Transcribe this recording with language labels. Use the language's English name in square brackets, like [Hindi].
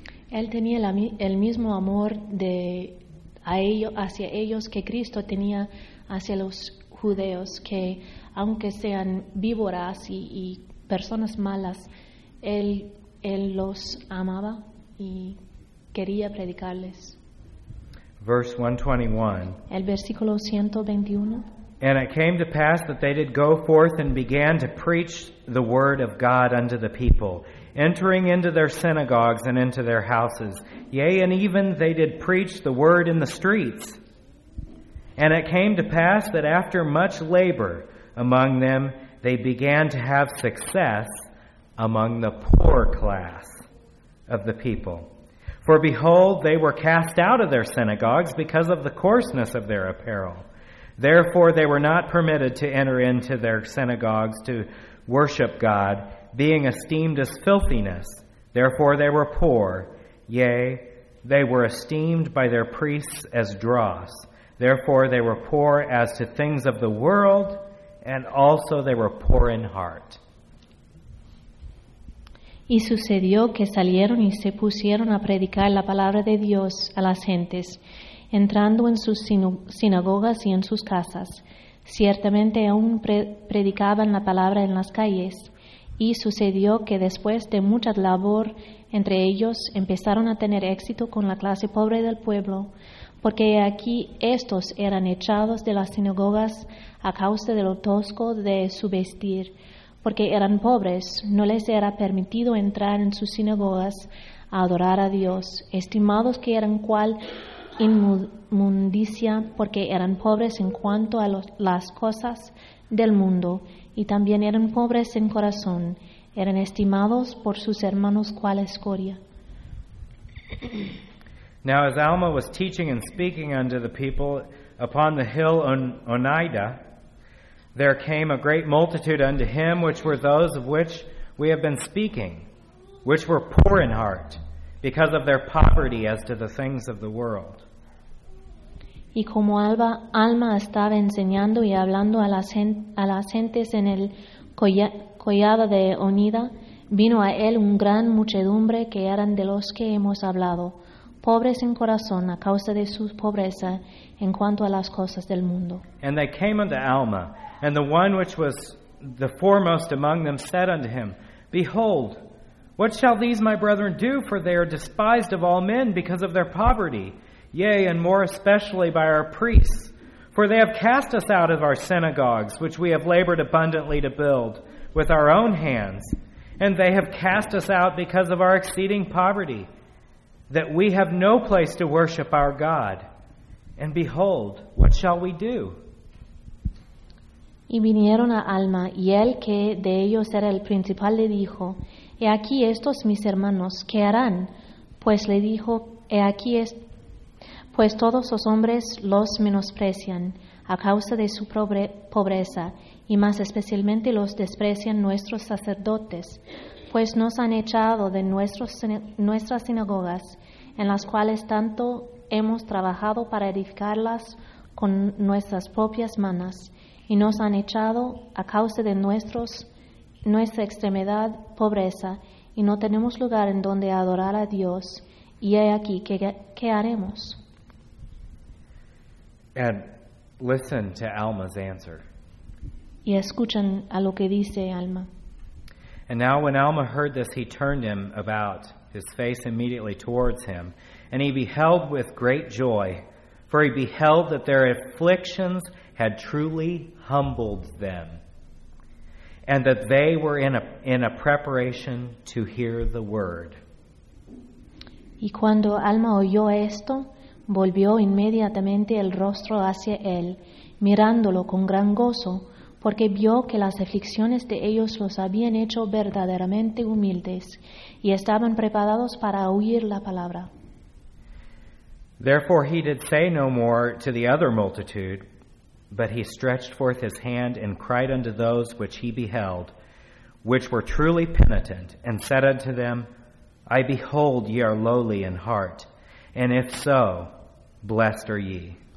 [Spanish] Él tenía el mismo amor de a ellos hacia ellos que Cristo tenía hacia los judeos, que aunque sean víboras y personas malas, él los amaba y quería predicarles. [English] Verse 121. [Spanish] El versículo 121. [English] And it came to pass that they did go forth and began to preach the word of God unto the people, entering into their synagogues and into their houses. Yea, and even they did preach the word in the streets. And it came to pass that after much labor among them, they began to have success among the poor class of the people. For behold, they were cast out of their synagogues because of the coarseness of their apparel. Therefore, they were not permitted to enter into their synagogues to worship God, being esteemed as filthiness. Therefore, they were poor. Yea, they were esteemed by their priests as dross. Therefore, they were poor as to things of the world, and also they were poor in heart. [Spanish] Y sucedió que salieron y se pusieron a predicar la palabra de Dios a las gentes, entrando en sus sinagogas y en sus casas. Ciertamente aún predicaban la palabra en las calles. Y sucedió que después de mucha labor entre ellos, empezaron a tener éxito con la clase pobre del pueblo, porque aquí estos eran echados de las sinagogas a causa de lo tosco de su vestir. Porque eran pobres, no les era permitido entrar en sus sinagogas a adorar a Dios, estimados que eran cual inmundicia, porque eran pobres en cuanto a las cosas del mundo, y también eran pobres en corazón, eran estimados por sus hermanos cual escoria. [English] Now as Alma was teaching and speaking unto the people upon the hill Oneida, there came a great multitude unto him, which were those of which we have been speaking, which were poor in heart, because of their poverty as to the things of the world. [Spanish] Y como Alma estaba enseñando y hablando a las gentes en el collado de Oneida, vino a él un gran muchedumbre que eran de los que hemos hablado, pobres en corazón a causa de su pobreza en cuanto a las cosas del mundo. [English] And they came unto Alma, and the one which was the foremost among them said unto him, Behold, what shall these my brethren do? For they are despised of all men because of their poverty, yea, and more especially by our priests. For they have cast us out of our synagogues, which we have labored abundantly to build with our own hands. And they have cast us out because of our exceeding poverty, that we have no place to worship our God. And behold, what shall we do? [Spanish] Y vinieron a Alma, y el que de ellos era el principal le dijo, He aquí estos mis hermanos, ¿qué harán? Pues le dijo, pues todos los hombres los menosprecian a causa de su pobreza, y más especialmente los desprecian nuestros sacerdotes, pues nos han echado de nuestras sinagogas, en las cuales tanto hemos trabajado para edificarlas con nuestras propias manos, y nos han echado a causa de nuestra extremidad pobreza, y no tenemos lugar en donde adorar a Dios, y he aquí, ¿qué haremos? [English] And listen to Alma's answer. [Spanish] Y escuchen a lo que dice Alma. [English] And now when Alma heard this, he turned him about, his face immediately towards him, and he beheld with great joy, for he beheld that their afflictions had truly humbled them, and that they were in a preparation to hear the word. [Spanish] Y cuando Alma oyó esto, volvió inmediatamente el rostro hacia él, mirándolo con gran gozo, porque vio que las aflicciones de ellos los habían hecho verdaderamente humildes, y estaban preparados para oír la palabra. [English] Therefore he did say no more to the other multitude, but he stretched forth his hand and cried unto those which he beheld, which were truly penitent, and said unto them, I behold ye are lowly in heart, and if so, blessed are ye.